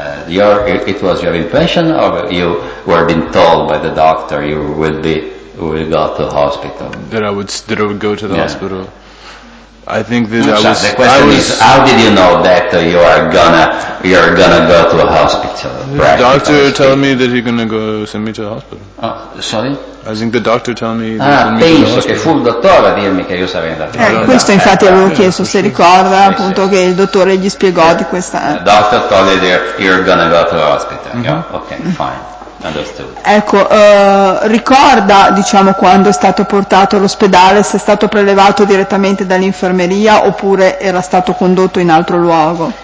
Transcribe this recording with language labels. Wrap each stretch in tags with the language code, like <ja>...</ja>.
<en>It was your impression, or you were being told by the doctor you will go to the hospital. That I would go to the hospital. I think that the question is, how did you know that you are gonna go to a hospital? The doctor told me that he's gonna go send me to the hospital. Oh, sorry? I think the doctor told me.</en> <it>Ah, penso che fu il dottore a dirmi che io sarei andato. Questo infatti avevo chiesto se ricorda appunto che il dottore gli spiegò di questa.</it> <en>The doctor told me that you're gonna go to a hospital. Mm-hmm. Yeah? Okay, fine.</en> <it>Ecco, ricorda diciamo quando è stato portato all'ospedale, se è stato prelevato direttamente dall'infermeria oppure era stato condotto in altro luogo?</it>